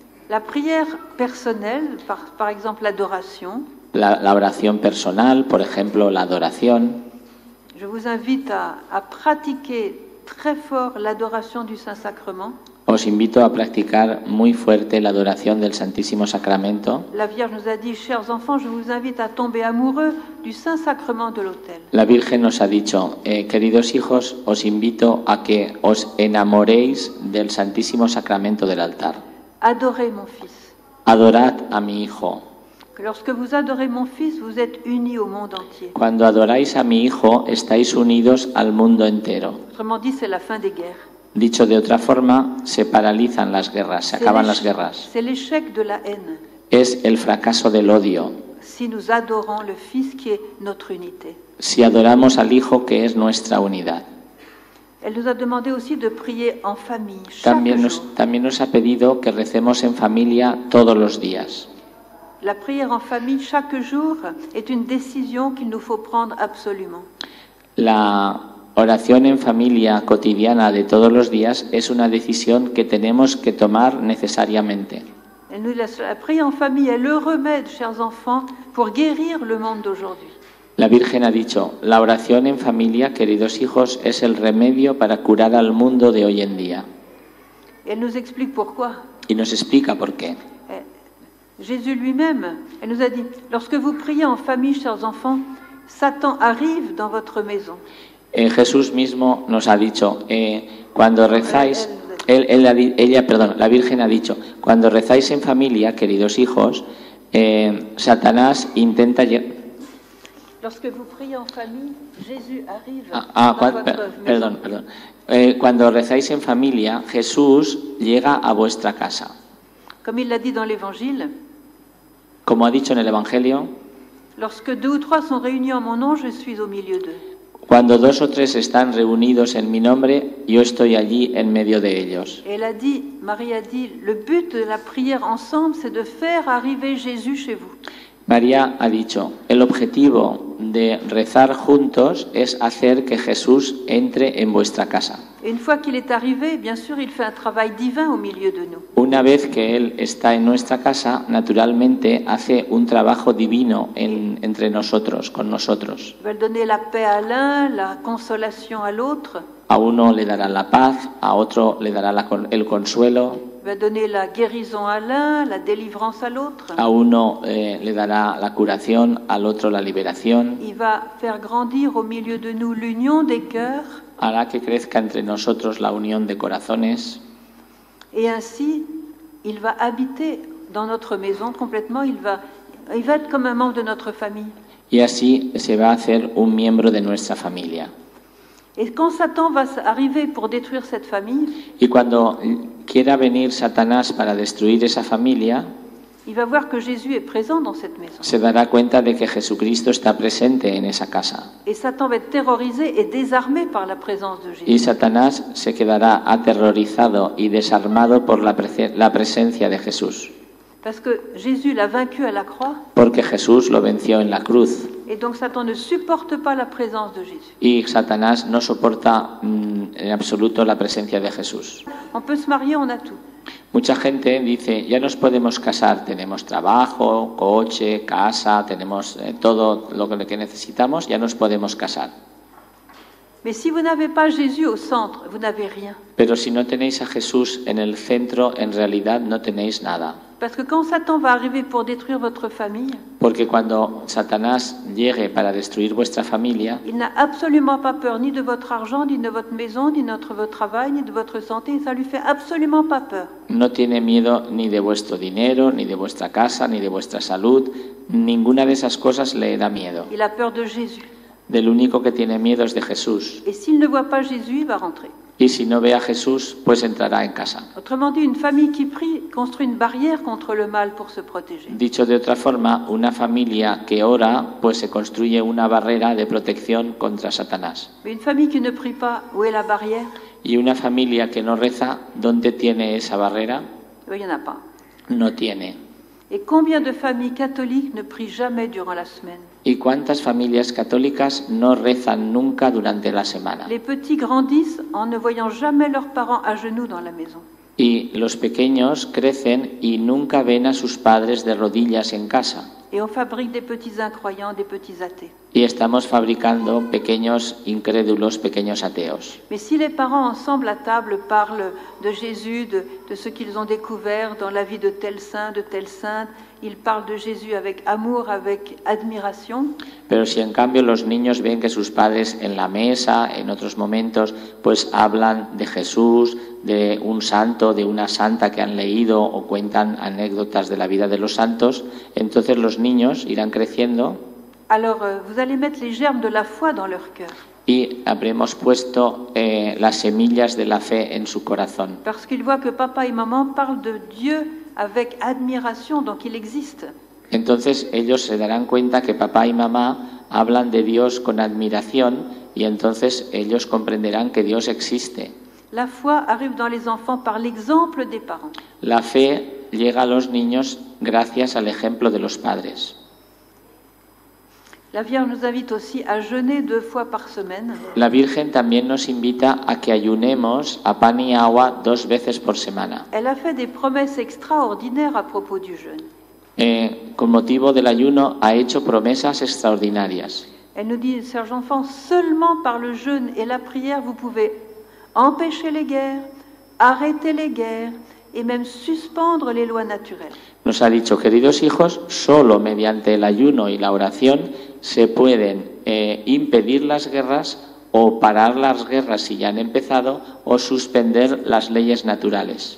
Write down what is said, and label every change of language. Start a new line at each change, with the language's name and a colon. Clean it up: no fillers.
French: La prière personnelle, par exemple l'adoration.
Spanish: La oración personal, por ejemplo, la adoración.
French: Je vous invite à pratiquer très fort l'adoration du Saint-Sacrement.
Spanish: Os invito a practicar muy fuerte la adoración del Santísimo Sacramento.
French: La Vierge nous a dit, chers enfants, je vous invite à tomber amoureux du Saint-Sacrement de l'autel.
Spanish: La Virgen nos ha dicho, queridos hijos, os invito a que os enamoréis del Santísimo Sacramento del altar.
French: Adorez mon fils.
Spanish: Adorad a mi hijo.
French: Lorsque vous adorez mon fils, vous êtes unis au monde entier.
Spanish: Cuando adoráis a mi hijo, estáis unidos al mundo entero.
French: Autrement dit, c'est la fin des guerres.
Spanish: Dicho de otra forma, se paralizan las guerras, se acaban las guerras.
French: C'est l'échec de la haine.
Spanish: Es el fracaso del odio.
French: Si nous adorons le fils qui est notre unité.
Spanish: Si adoramos al hijo que es nuestra unidad.
French: Elle nous a demandé aussi de prier en famille chaque
Spanish: También nos ha pedido que recemos en familia todos los días.
French: La prière en famille chaque jour est une décision qu'il nous faut prendre absolument.
Spanish: La oración en familia cotidiana de todos los días es una decisión que tenemos que tomar necesariamente.
French: La prière en famille est le remède, chers enfants, pour guérir le monde d'aujourd'hui.
Spanish: La Virgen ha dicho, la oración en familia, queridos hijos, es el remedio para curar al mundo de hoy en día.
French: Elle nous explique pourquoi.
Spanish: Y nos explica por qué.
French: Jésus lui-même, elle nous a dit, lorsque vous priez en famille, chers enfants, Satan arrive dans votre maison.
Spanish: Jesús mismo nos ha dicho, cuando rezáis, la Virgen ha dicho, cuando rezáis en familia, queridos hijos, Satanás intenta llegar.
French: Lorsque vous priez en famille, Jésus arrive dans votre maison.
Spanish: Perdón. Cuando rezáis en familia, Jesús llega a vuestra casa.
French: Comme il l'a dit dans l'Évangile.
Spanish: Como ha dicho en el Evangelio.
French: Lorsque deux ou trois sont réunis en mon nom, je suis au milieu d'eux.
Spanish: Cuando dos o tres están reunidos en mi nombre, yo estoy allí en medio de ellos.
French: Elle a dit, Marie a dit, le but de la prière ensemble, c'est de faire arriver Jésus chez vous.
Spanish: María ha dicho, el objetivo de rezar juntos es hacer que Jesús entre en vuestra casa.
French: Une fois qu'il est arrivé, bien sûr, il fait un travail divin au milieu de nous.
Spanish: Una vez que él está en nuestra casa, naturalmente hace un trabajo divino entre nosotros, con nosotros.
French: Il va donner la paix à l'un, la consolation à l'autre.
Spanish: A uno le dará la paz, a otro le dará el consuelo.
French: Il va donner la guérison à l'un, la délivrance à l'autre.
Spanish: A uno le dará la curación, al otro la liberación.
French: Il va faire grandir au milieu de nous l'union des cœurs.
Spanish: Hará que crezca entre nosotros la unión de corazones.
French: Et ainsi, il va habiter dans notre maison complètement. Il va être comme un membre de notre famille.
Spanish: Y así se va a hacer un miembro de nuestra familia.
French: Et quand Satan va arriver pour détruire cette famille?
Spanish: Y cuando quiera venir Satanás para destruir esa familia.
French: Il va voir que Jésus est présent dans cette maison.
Spanish: Se dará cuenta de que Jesucristo está presente en esa casa.
French: Et Satan va être terrorisé et désarmé par la présence de Jésus.
Spanish: Y Satanás se quedará aterrorizado y desarmado por la presencia de Jesús.
French: Parce que Jésus l'a vaincu à la croix.
Spanish: Porque Jesús lo venció en la cruz.
French: Et donc Satan ne supporte pas la présence de Jésus.
Spanish: Y Satanás no soporta en absoluto la presencia de Jesús.
French: On peut se marier, on a tout.
Spanish: Mucha gente dice, ya nos podemos casar, tenemos trabajo, coche, casa, tenemos todo lo que necesitamos, ya nos podemos casar.
French: Mais si vous n'avez pas Jésus au centre, vous n'avez rien.
Spanish: Pero si no tenéis a Jesús en el centro, en realidad no tenéis nada.
French: Parce que quand Satan va arriver pour détruire votre famille,
Spanish: porque cuando Satanás llegue para destruir vuestra familia,
French: il n'a absolument pas peur ni de votre argent, ni de votre maison, ni de votre travail, ni de votre santé, ça lui fait absolument pas peur.
Spanish: No tiene miedo ni de vuestro dinero, ni de vuestra casa, ni de vuestra salud, ninguna de esas cosas le da miedo.
French: Il a peur de Jésus.
Spanish: Del único que tiene miedo es de Jesús.
French: Et s'il ne voit pas Jésus, il va rentrer.
Spanish: Y si no ve a Jesús, pues entrará en casa.
French: Autrement dit, une famille qui prie construit une barrière contre le mal pour se protéger.
Spanish: Dicho de otra forma, una familia que ora, pues se construye una barrera de protección contra Satanás.
French: Mais une famille qui ne prie pas, où est la barrière?
Spanish: Y una familia que no reza, ¿dónde tiene esa barrera?
French: Il n'y en a pas.
Spanish: No tiene.
French: Et combien de familles catholiques ne prient jamais durant la semaine?
Spanish: ¿Y cuántas familias católicas no rezan nunca durante la semana?
French: Les petits grandissent en ne voyant jamais leurs parents à genoux dans la maison.
Spanish: Y los pequeños crecen y nunca ven a sus padres de rodillas en casa.
French: Et on fabrique des petits incroyants, des petits athées.
Spanish: Y estamos fabricando pequeños incrédulos, pequeños ateos.
French: Mais si les parents ensemble à table parlent de Jésus, de ce qu'ils ont découvert dans la vie de tel saint, de telle sainte, ils parlent de Jésus avec amour, avec admiration.
Spanish: Pero si en cambio los niños ven que sus padres en la mesa, en otros momentos, pues hablan de Jesús, de un santo, de una santa que han leído o cuentan anécdotas de la vida de los santos, entonces los niños irán creciendo.
French: Alors, vous allez mettre les germes de la foi dans leur cœur.
Spanish: Y habremos puesto las semillas de la fe en su corazón.
French: Parce qu'ils voient que papa et maman parlent de Dieu avec admiration, donc il existe.
Spanish: Entonces ellos se darán cuenta que papá y mamá hablan de Dios con admiración y entonces ellos comprenderán que Dios existe.
French: La foi arrive dans les enfants par l'exemple des parents.
Spanish: La fe llega a los niños gracias al ejemplo de los padres.
French: La Vierge nous invite aussi à jeûner deux fois par semaine.
Spanish: La Virgen también nos invita a que ayunemos a pan y agua dos veces por semana.
French: Elle a fait des promesses extraordinaires à propos du jeûne.
Spanish: Con motivo del ayuno ha hecho promesas extraordinarias.
French: Elle nous dit, chers enfants, seulement par le jeûne et la prière, vous pouvez empêcher les guerres, arrêter les guerres, et même suspendre les lois naturelles.
Spanish: Nos ha dicho, queridos hijos, solo mediante el ayuno y la oración se pueden impedir las guerras o parar las guerras si ya han empezado o suspender las leyes naturales.